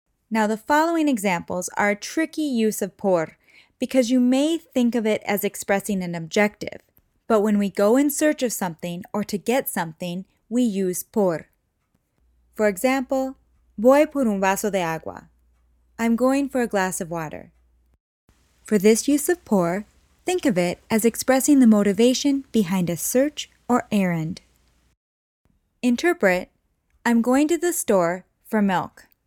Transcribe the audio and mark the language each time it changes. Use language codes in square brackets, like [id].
[en] Now the following examples are a tricky use of por, because you may think of it as expressing an objective, but when we go in search of something or to get something, we use por. For example, [es] voy por un vaso de agua. [en] I'm going for a glass of water. For this use of por, think of it as expressing the motivation behind a search or errand. Interpret, I'm going to the store for milk.